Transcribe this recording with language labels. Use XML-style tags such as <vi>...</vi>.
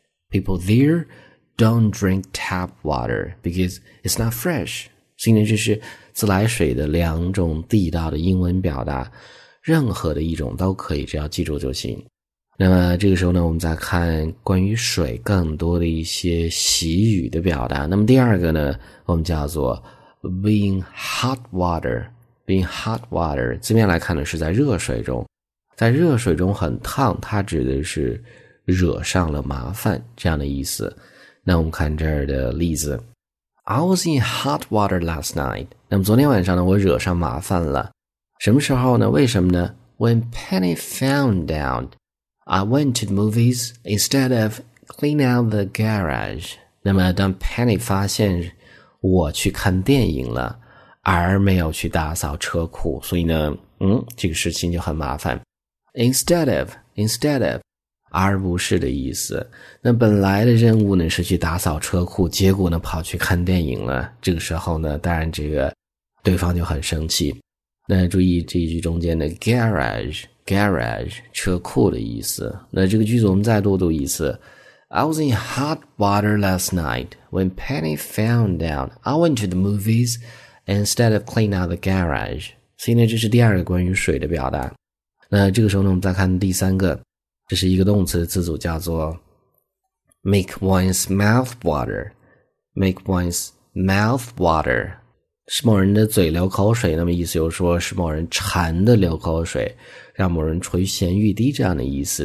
<en>People there don't drink tap water because it's not fresh.</en> <zh>所以呢，这是自来水的两种地道的英文表达，任何的一种都可以，只要记住就行。那么这个时候呢，我们再看关于水更多的一些习语的表达。那么第二个呢，我们叫做</zh> <en>being hot water， being hot water，</en> <zh>字面来看呢是在热水中，在热水中很烫，它指的是惹上了麻烦这样的意思。那我们看这儿的例子，</zh> <en>I was in hot water last night，</en> <zh>那么昨天晚上呢我惹上麻烦了，什么时候呢？为什么呢？</zh> <en>When Penny found outI went to the movies instead of clean out the garage.</en> <zh>那么当 Penny 发现我去看电影了，而没有去打扫车库，所以呢，这个事情就很麻烦。</zh> <en>Instead of,</en> <zh>而不是的意思。那本来的任务呢是去打扫车库，结果呢跑去看电影了。这个时候呢，当然这个对方就很生气。那注意这一句中间的 garage 车库的意思。那这个句子我们再多读一次，</zh> <en>I was in hot water last night when Penny found out I went to the movies instead of clean out the garage。</en> <zh>所以呢，这是第二个关于水的表达。那这个时候呢，我们再看第三个，这是一个动词的词组，叫做</zh> <en>make one's mouth water。</en> <zh>是某人的嘴流口水，那么意思就是说是某人馋的流口水，让某人垂涎欲滴这样的意思。</zh>